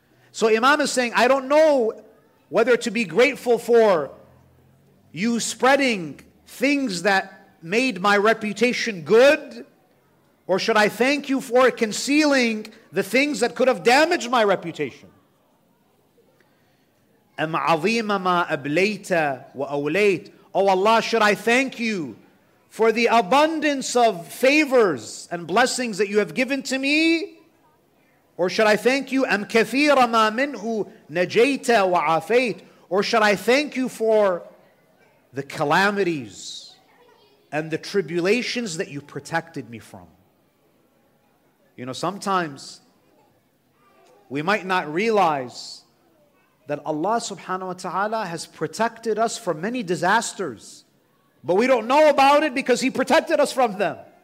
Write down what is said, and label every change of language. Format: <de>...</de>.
<en>So Imam is saying, I don't know whether to be grateful for you spreading things that made my reputation good, or should I thank you for concealing the things that could have damaged my reputation?</en> <ar>أَمْ عَظِيمَ مَا أَبْلَيْتَ وَأَوْلَيْتَ.</ar> <en>Oh Allah, should I thank you for the abundance of favors and blessings that you have given to me? Or should I thank you,</en> <ar>أَمْ كَثِيرَ مَا مِنْهُ نَجَيْتَ وَعَافَيْتَ.</ar> <en>Or should I thank you for the calamities and the tribulations that you protected me from? You know, sometimes we might not realize that Allah subhanahu wa ta'ala has protected us from many disasters, but we don't know about it because He protected us from them.</en>